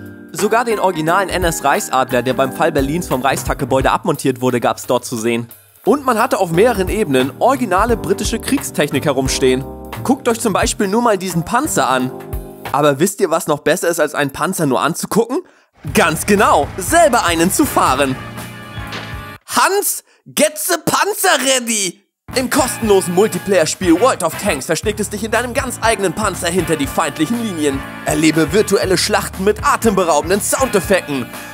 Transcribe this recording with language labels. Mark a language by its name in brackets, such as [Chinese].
[German] Sogar den originalen NS-Reichsadler, der beim Fall Berlins vom Reichstaggebäude abmontiert wurde, gab es dort zu sehen. Und man hatte auf mehreren Ebenen originale britische Kriegstechnik herumstehen. Guckt euch zum Beispiel nur mal diesen Panzer an. Aber wisst ihr, was noch besser ist, als einen Panzer nur anzugucken? Ganz genau, selber einen zu fahren. [English] Hans, get the Panzer ready! [German] Im kostenlosen Multiplayer-Spiel World of Tanks versteckt es dich in deinem ganz eigenen Panzer hinter die feindlichen Linien. Erlebe virtuelle Schlachten mit atemberaubenden Soundeffekten.